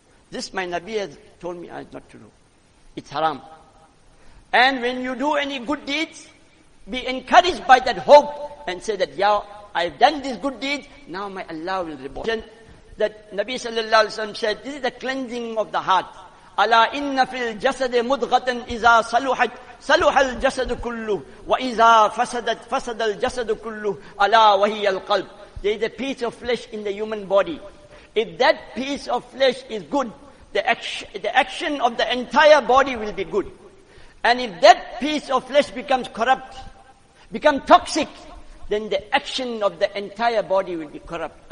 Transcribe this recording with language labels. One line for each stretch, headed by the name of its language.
English: This my Nabi has told me not to do. It's haram. And when you do any good deeds, be encouraged by that hope and say that, ya, I've done this good deed, now my Allah will reward. That Nabi sallallahu alayhi wa sallam said, this is the cleansing of the heart.
Arabic: Ala inna fil jasadi mudghatan iza saluhat. صلح الجسد كله واذا فسدت فسد الجسد كله الا وهي القلب.
English: There is a piece of flesh in the human body. If that piece of flesh is good, the action of the entire body will be good. And if that piece of flesh becomes corrupt, become toxic, then the action of the entire body will be corrupt.